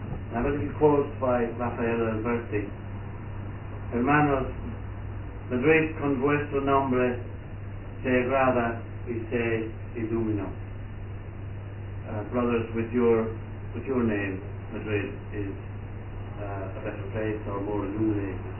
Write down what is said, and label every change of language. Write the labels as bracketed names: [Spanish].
[English] And I'm going to be quoted by Rafael Alberti. [Spanish] Hermanos, Madrid con vuestro nombre se agrada y se ilumina. [English] Brothers, with your name, Madrid is a better place or more illuminated.